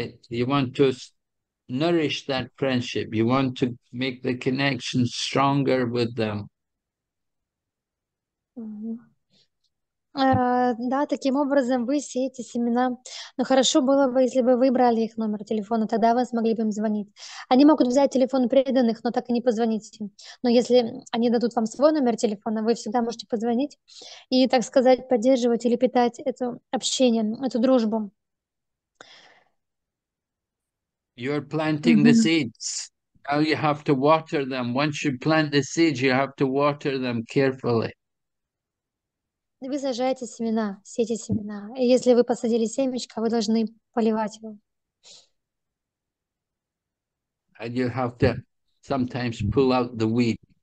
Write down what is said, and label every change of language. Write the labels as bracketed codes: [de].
[en] You want to nourish that friendship. You want to make the connection stronger with them. [ru] Да, таким образом вы сеете семена. Но хорошо было бы, если бы вы брали их номер телефона, тогда вы смогли бы им звонить. Они могут взять телефон преданных, но так и не позвонить им. Но если они дадут вам свой номер телефона, вы всегда можете позвонить и, так сказать, поддерживать или питать это общение, эту дружбу. [en] You're planting the seeds. Now you have to water them. Once you plant the seeds, you have to water them carefully. [ru] Вы сажаете семена, сеете семена. И если вы посадили семечко, вы должны поливать его. [en] And you have to sometimes pull out the weeds.